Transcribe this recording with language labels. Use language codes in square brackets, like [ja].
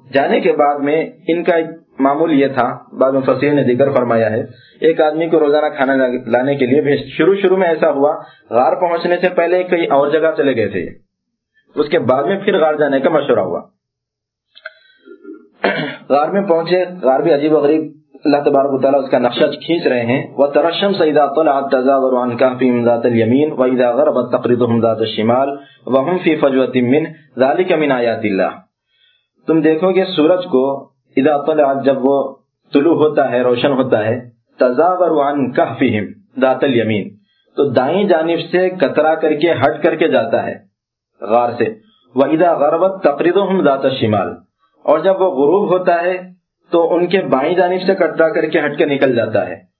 [ur] جانے کے بعد میں ان کا ایک معمول یہ تھا, بعض مفسرین نے ذکر فرمایا ہے, ایک آدمی کو روزانہ کھانا لانے کے لیے بھیج. شروع شروع میں ایسا ہوا, غار پہنچنے سے پہلے کئی اور جگہ چلے گئے تھے, اس کے بعد میں پھر غار جانے کا مشورہ ہوا. غار میں پہنچے, غار بھی عجیب و غریب, اللہ تبارک و تعالیٰ اس کا نقشہ کھینچ رہے ہیں. [ar] وترى الشمس اذا طلعت تزاور عن كهفهم ذات اليمين واذا غربت تقرضهم ذات الشمال وهم في فجوة من ذلك من آيات الله. [ur] تم دیکھو کہ سورج کو [ar] اذا طلعت, [ur] جب وہ طلوع ہوتا ہے, روشن ہوتا ہے, [ar] تزاور عن كهفهم ذات اليمين, [ur] تو دائیں جانب سے کترا کر کے ہٹ کر کے جاتا ہے غار سے. [ar] واذا غربت تقرضهم ذات الشمال, [ur] اور جب وہ غروب ہوتا ہے تو ان کے بائیں جانب سے کٹرا کر کے ہٹ کے نکل جاتا ہے.